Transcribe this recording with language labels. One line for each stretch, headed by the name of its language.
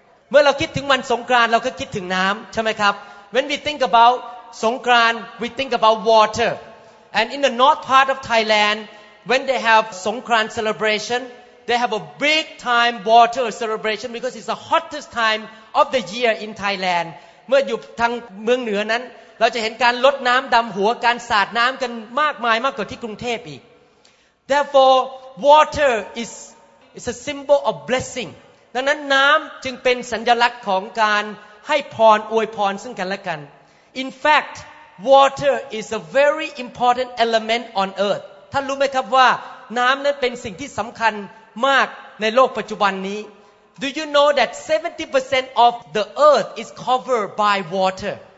Thai: เมื่อเราคิดถึงวันสงกรานต์เราก็คิดถึงน้ำใช่ไหมครับ
English: When we think about Songkran, we think about water. And in the north part of Thailand, when they have Songkran celebration, they have a big time water celebration because it's the hottest time of the year in Thailand.
Thai: เมื่ออยู่ทางเมืองเหนือนั้นเราจะเห็นการรดน้ำดำหัวการสาดน้ำกันมากมายมากกว่าที่กรุงเทพอีก
English: Therefore, water is a symbol of blessing.
Thai: ดังนั้นน้ำจึงเป็นสัญลักษณ์ของการให้พรอวยพรซึ่งกันและกัน
English: In fact water is a very important element on earth
Thai: ท่านรู้ไหมครับว่าน้ำนั้นเป็นสิ่งที่สำคัญมากในโลกปัจจุบันนี้
English: Do you know that 70% of the earth is covered by water